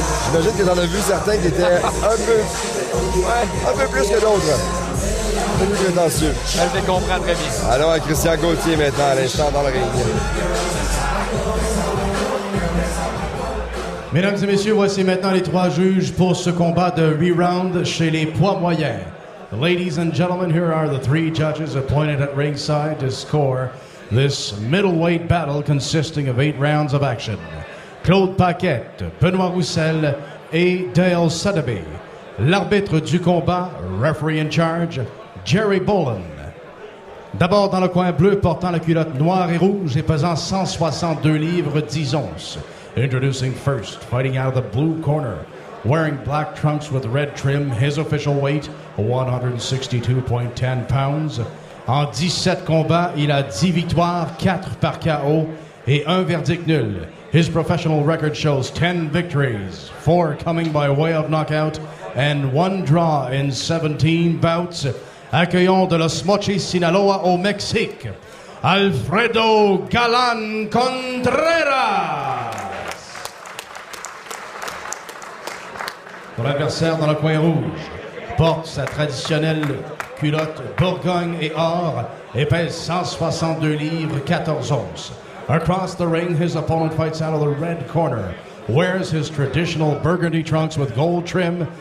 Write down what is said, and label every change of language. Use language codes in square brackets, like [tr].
[fr] J'imagine que t'en as vu certains qui étaient un peu plus que d'autres. Un peu plus prétentieux. Je les comprends très bien. Allons à Christian Gauthier maintenant, à l'instant dans le ring. Mesdames et messieurs, voici maintenant les trois juges pour ce combat de re-round chez les poids moyens. [en] Ladies and gentlemen, here are the three judges appointed at ringside to score this middleweight battle consisting of 8 rounds of action. [fr] Claude Paquette, Benoît Roussel et Dale Sotheby. L'arbitre du combat, [en] referee in charge, [fr] Jerry Bolin. D'abord dans le coin bleu, portant la culotte noire et rouge et pesant 162 livres 10 onces. [en] Introducing first, fighting out of the blue corner, wearing black trunks with red trim, his official weight, 162.10 pounds. [fr] En 17 combats, il a 10 victoires, 4 par KO et un verdict nul. [en] His professional record shows 10 victories, 4 coming by way of knockout, and 1 draw in 17 bouts. [fr] Accueillons de Los Mochis, Sinaloa, au Mexique, Alfredo Galán Contreras. Son adversaire dans le coin rouge porte sa traditionnelle culotte Bourgogne et or et pèse 162 livres, 14 onces. [en] Across the ring, his opponent fights out of the red corner, wears his traditional burgundy trunks with gold trim.